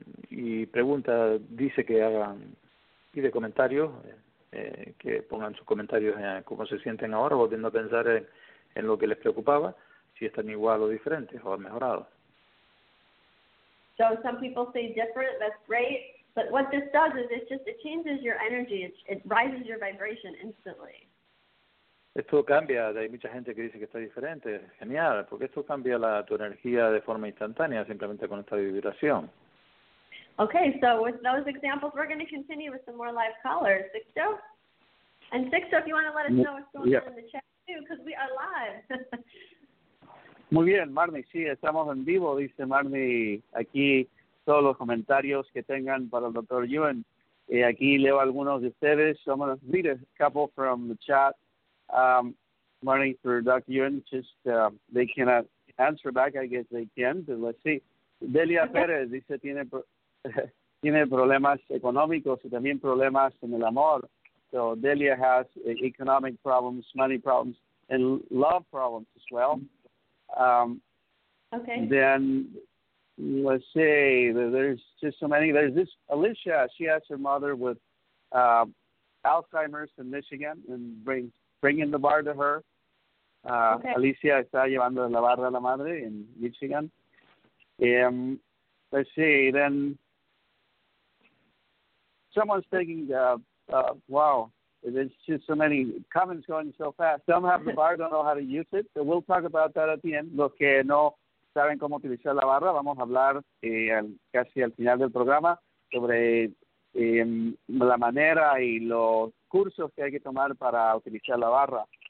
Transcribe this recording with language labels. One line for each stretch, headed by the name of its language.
Spanish: Y pregunta, dice que hagan, pide comentarios, que pongan sus comentarios en cómo se sienten ahora, volviendo a pensar en lo que les preocupaba, si están igual o diferentes o han mejorado.
English: So some people say different, that's great, but what this does is it changes your energy, it rises your vibration instantly.
Spanish: Esto cambia, hay mucha gente que dice que está diferente, genial, porque esto cambia tu energía de forma instantánea, simplemente con esta vibración.
English: Okay, so with those examples, we're going to continue with some more live callers. Sixto? And Sixto, if you want to let us know what's going on in the chat too, because we are live.
Spanish: Muy bien, Marnie, sí, estamos en vivo, dice Marnie, aquí todos los comentarios que tengan para el Dr. Yuen. Aquí leo algunos de ustedes.
English: So I'm going to read a couple from the chat. Marnie, for Dr. Yuen, they cannot answer back, I guess they can, but let's see.
Spanish: Delia Pérez dice, tiene problemas económicos y también problemas en el amor.
English: So Delia has economic problems, money problems, and love problems as well. Then let's say there's just so many. There's this Alicia. She has her mother with Alzheimer's in Michigan and bringing the bar to her.
Spanish: Alicia está llevando la barra a la madre in Michigan.
English: Let's see. Then someone's taking. Wow. There's just so many comments going so fast. Some have the bar, don't know how to use it. So we'll talk about that at the end.
Spanish: Los que no saben cómo utilizar la barra, vamos a hablar casi al final del programa sobre la manera y los cursos que hay que tomar para utilizar la barra.